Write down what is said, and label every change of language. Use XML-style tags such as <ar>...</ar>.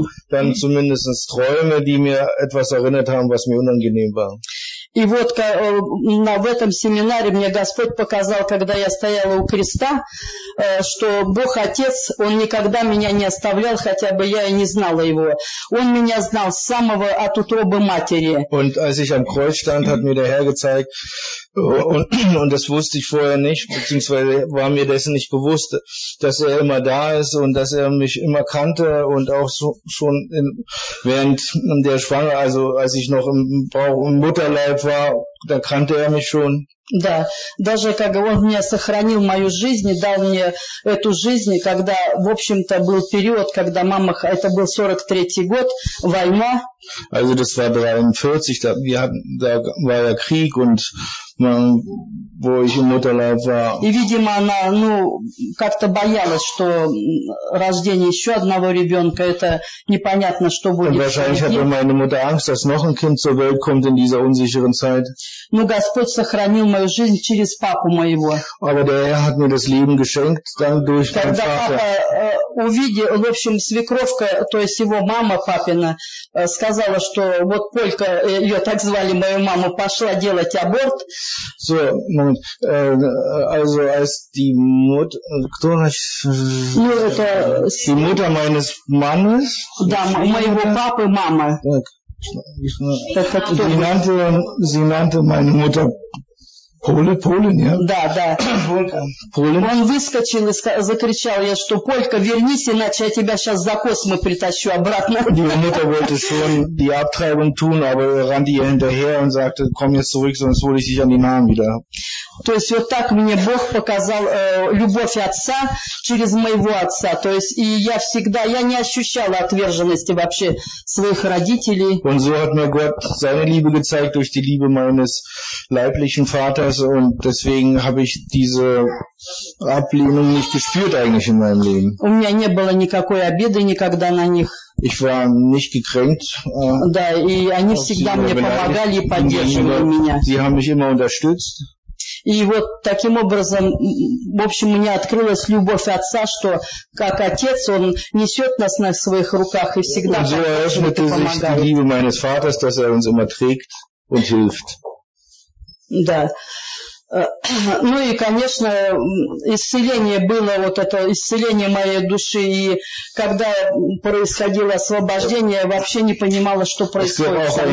<de>Dann zumindest Träume, die mir etwas erinnert haben, was mir unangenehm war.</de> <ru>И вот в этом семинаре мне Господь показал, когда я стояла у креста, что Бог Отец, Он никогда меня не оставлял, хотя бы я и не знала Его. Он меня знал с самого от утробы матери.</ru> <de>Und als ich am Kreuz stand, hat mir der Herr gezeigt, und das wusste ich vorher nicht, beziehungsweise war mir dessen nicht bewusst, dass er immer da ist und dass er mich immer kannte und auch so, schon in, während der Schwanger, also als ich noch im Bauch und Mutterleib war, da kannte er mich schon.</de> <ru>Да, даже как он мне сохранил мою жизнь и дал мне эту жизнь, когда, в общем-то, был период, когда мама, это был 43-й год, война.</ru> <de>Also das war 43, da war ja Krieg, und man, wo ich im Mutterleib war.</de> <ru>И, видимо, она, ну, как-то боялась, что рождение еще одного ребенка, это непонятно, что будет.</ru> <de>Wahrscheinlich hatte meine Mutter Angst, dass noch ein Kind zur Welt kommt in dieser unsicheren Zeit.</de> <ru>Но Господь сохранил мою жизнь через папу моего.</ru> <de>Aber der Herr hat mir das Leben geschenkt, dann durch meinen</de> <ru>Когда Когда папа увидел, в общем, свекровка, то есть его мама папина, сказала, что вот Полька, ее так звали, мою маму, пошла делать аборт.</ru> <de>So, also als die Mutter,</de> <ru>кто значит? Ну, это...</ru> <de>Die Mutter meines Mannes?</de> <ru>Да, моего папы, мама. Так.</ru> <de>Sie nannte meine Mutter Polin, ja?</de> <ru>Да, да.</ru> <de>Polin.</de> <ru>Он выскочил и закричал, я что, Полька, вернись, иначе я тебя сейчас за космы притащу обратно.</ru> <de>Die Mutter wollte schon die Abtreibung tun, aber rannte ihr hinterher und sagte, komm jetzt zurück, sonst hole ich dich an die Nahen wieder.</de> <ru>То есть вот так мне Бог показал любовь отца через моего отца. То есть и я всегда, я не ощущала отверженности вообще своих родителей.</ru> <de>Und so hat mir Gott seine Liebe gezeigt durch die Liebe meines leiblichen Vaters, und deswegen habe ich diese Ablehnung nicht gespürt eigentlich in meinem Leben.</de> <ru>У меня не было никакой обиды никогда на них.</ru> <de>Ich war nicht gekränkt.</de> <ru>Да, и они всегда мне помогали и поддерживали меня.</ru> <de>Sie haben mich immer unterstützt.</de> <ru>И вот таким образом, в общем, мне открылась любовь отца, что как отец, он несет нас на своих руках и всегда</ru> <de>so помогает. Liebe meines Vaters, dass uns immer trägt und hilft.</de> <ru>Да. Ну и, конечно, исцеление было, вот это исцеление моей души, и когда происходило освобождение, вообще не понимала, что происходит.</ru>